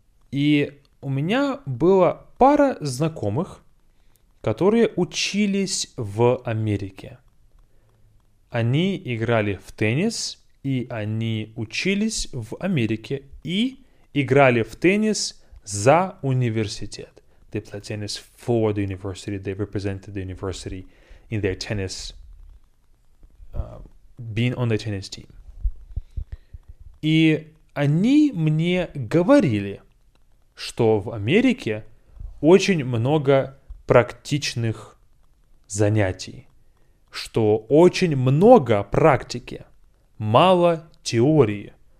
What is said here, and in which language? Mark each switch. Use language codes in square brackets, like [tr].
[ru] И у меня была пара знакомых, которые учились в Америке. Они играли в теннис, и они учились в Америке, и играли в теннис за университет. [en] They played tennis for the university. They represented the university in their tennis, being on the tennis team. [ru] И они мне говорили, что в Америке очень много практичных занятий, что очень много практики, мало теории.